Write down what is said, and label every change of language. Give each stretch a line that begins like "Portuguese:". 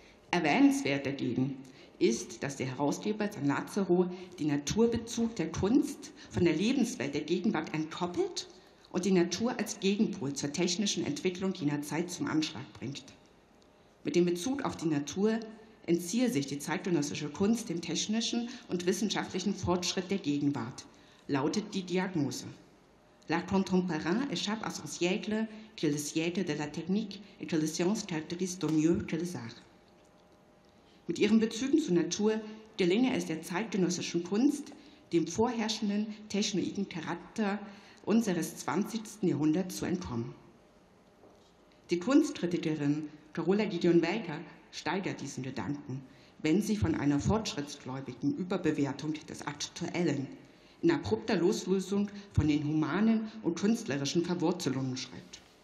German: Erwähnenswert dagegen ist, dass der Herausgeber San Lazzaro den Naturbezug der Kunst von der Lebenswelt der Gegenwart entkoppelt und die Natur als Gegenpol zur technischen Entwicklung jener Zeit zum Anschlag bringt. Mit dem Bezug auf die Natur entziehe sich die zeitgenössische Kunst dem technischen und wissenschaftlichen Fortschritt der Gegenwart, lautet die Diagnose.
French: L'art contemporain échappe à son siècle que le siècle de la technique et que les sciences caractérisent au mieux que les arts.
German: Mit ihren Bezügen zur Natur gelinge es der zeitgenössischen Kunst, dem vorherrschenden technoiden Charakter unseres 20. Jahrhunderts zu entkommen. Die Kunstkritikerin Carola Gideon-Welker steigert diesen Gedanken, wenn sie von einer fortschrittsgläubigen Überbewertung des Aktuellen in abrupter Loslösung von den humanen und künstlerischen Verwurzelungen schreibt.